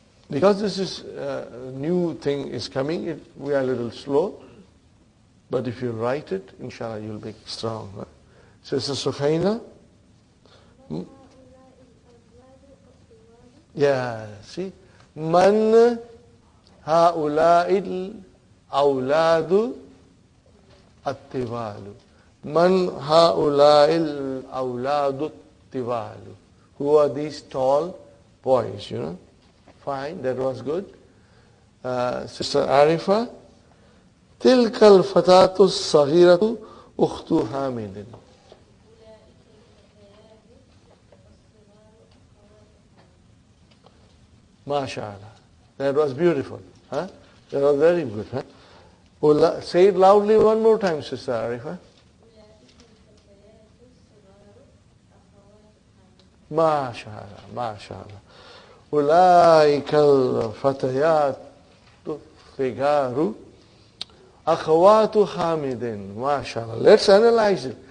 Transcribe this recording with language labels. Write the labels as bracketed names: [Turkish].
[English] because this is new thing is coming it, we are a little slow but if you write it inshallah you will be strong so this is Sukhaina Yeah, see? [Arabic] من هؤلاء الأولاد الطوال من هؤلاء الأولاد الطوال Who are these tall boys, you know? [English] Fine, that was good. [Arabic] Sister Arifa تلك الفتاة الصغيرة أخت حامد MashaAllah. [English] That was beautiful. Huh? That was very good. Huh? Ula, say it loudly one more time, Sister Arifa. MashaAllah. MashaAllah. Ulaika al-fatayatu figaru akhawatu hamidin. MashaAllah. Let's analyze it.